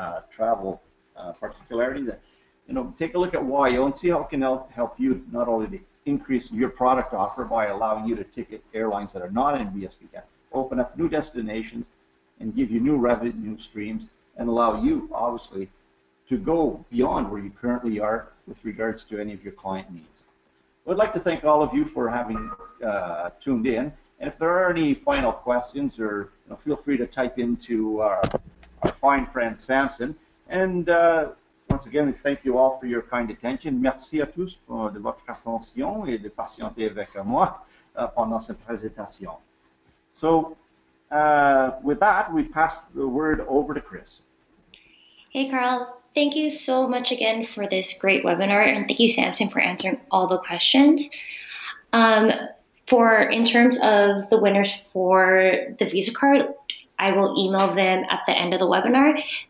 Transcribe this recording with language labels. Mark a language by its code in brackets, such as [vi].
[en] travel particularity, that, you know, take a look at YO and see how it can help you not only to increase your product offer by allowing you to ticket airlines that are not in BSP, open up new destinations and give you new revenue streams and allow you, obviously, to go beyond where you currently are with regards to any of your client needs. I'd like to thank all of you for having tuned in. And if there are any final questions, or you know, feel free to type into our fine friend Samson. And once again, we thank you all for your kind attention. [fr] Merci à tous pour de votre attention et de patienter avec moi pendant cette présentation. [en] So with that, we pass the word over to Chris. Hey, Carl. Thank you so much again for this great webinar, and thank you, Samson, for answering all the questions. In terms of the winners for the Visa card, I will email them at the end of the webinar.